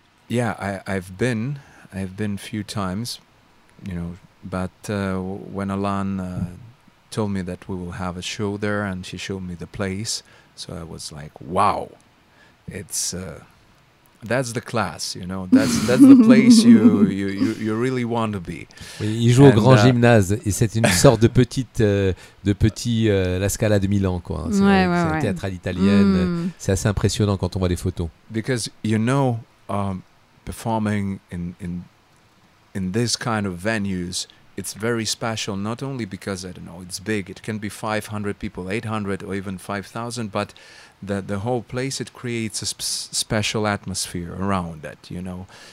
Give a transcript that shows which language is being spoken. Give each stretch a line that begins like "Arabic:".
English: Yeah, I've been a few times, you know, but when Alan told me that we will have a show there and she showed me the place, so I was like, wow, it's that's the class, you know, that's the place you really want to be.
French: Oui, il joue au Grand Gymnase et c'est une sorte de petit La Scala de Milan, quoi. C'est un théâtre à l'italienne. Mm. C'est assez impressionnant quand on voit les photos.
English: Because, you know... performing in this kind of venues, it's very special, not only because, I don't know, it's big, it can be 500 people, 800 or even 5,000, but the whole place, it creates a special atmosphere around it, you know.